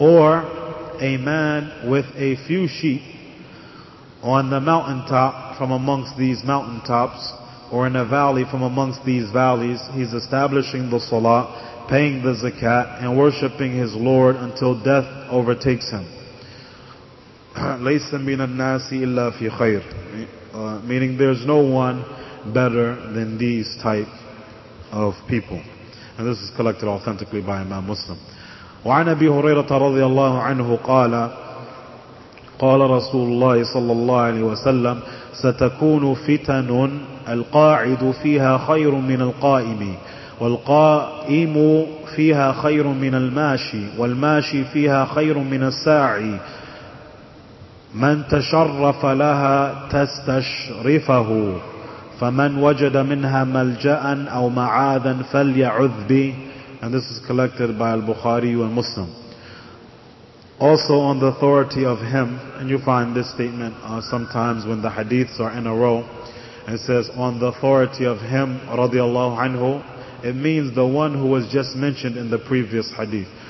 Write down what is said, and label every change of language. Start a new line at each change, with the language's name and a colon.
English: Or a man with a few sheep on the mountaintop from amongst these mountaintops, or in a valley from amongst these valleys, he's establishing the salah, paying the zakat, and worshipping his Lord until death overtakes him.
Arabic: لَيْسَ مِنَ النَّاسِ إِلَّا فِي خَيْرٍ.
English: Meaning there's no one better than these type of people. And this is collected authentically by Imam Muslim.
Arabic: وَعَنَ أَبِي هُرَيْرَةَ رَضِيَ اللَّهُ عَنْهُ قَالَ قَالَ رَسُولُ اللَّهِ صَلَّى اللَّهُ عَلَيْهِ وَسَلَّمْ سَتَكُونُ فِتَنٌ القاعد فيها خير من القائم، والقائم فيها خير من الماشي، والماشي فيها خير من الساعي، من تشرف لها تستشرفه، فمن وجد منها ملجأ أو معاذا فليعذ به.
English: And this is collected by Al-Bukhari and Muslim. Also on the authority of him, and you find this statement sometimes when the hadiths are in a row, it says, on the authority of him, radiallahu anhu. It means the one who was just mentioned in the previous hadith.